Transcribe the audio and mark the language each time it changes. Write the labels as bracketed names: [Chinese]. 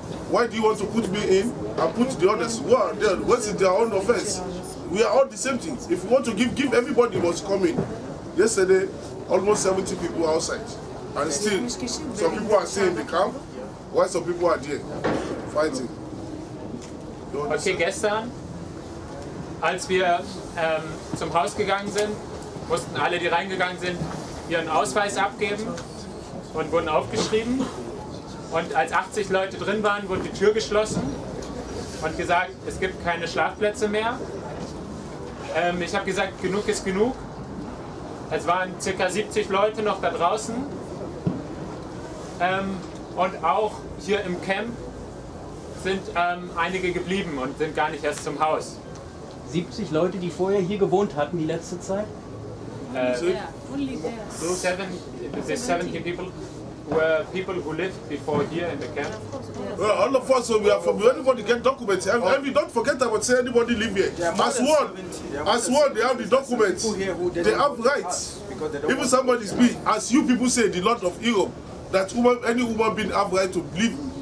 [English] Why do you want to put me in and put the others? What is their own offense? We are all the same thing. If you want to give everybody must come in. Yesterday, almost 70 people outside. And still, some people are still in the camp, while some people are there fighting. [German] Okay, gestern, als wir zum Haus gegangen sind, mussten alle, die reingegangen sind, ihren Ausweis abgeben und wurden aufgeschrieben. Und als 80 Leute drin waren, wurde die Tür geschlossen und gesagt, es gibt keine Schlafplätze mehr. Ich habe gesagt, genug ist genug. Es waren ca. 70 Leute noch da draußen. Und auch hier im Camp sind einige geblieben und sind gar nicht erst zum Haus. 70 Leute, die vorher hier gewohnt hatten die letzte Zeit? [English] Yeah, only there. The 70 people were people who lived before here in the camp. Well, all of us, we are from anybody get documents. And we don't forget about anybody live here. As one, they have the documents. They have rights. Even somebody speak, as you people say, the Lord of Europe, that any human being have right to live.